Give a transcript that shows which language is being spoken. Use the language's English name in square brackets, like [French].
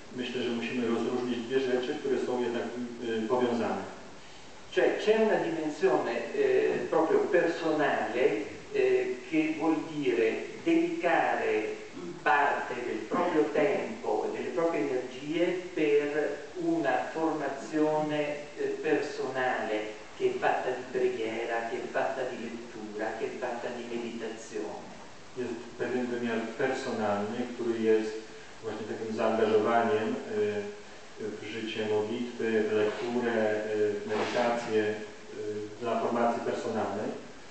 [Polish] Myślę, że musimy rozróżnić dwie rzeczy, które są jednak powiązane. [Italian] Cioè, c'è una dimensione proprio personale che vuol dire dedicare parte del proprio tempo e delle proprie energie per una formazione personale che è fatta di preghiera, che è fatta di lettura, che è fatta di meditazione. [Polish] Jest pewien wymiar personalny, który jest właśnie takim zaangażowaniem w życie modlitwy, w lekturę, w medytację, dla formacji personalnej.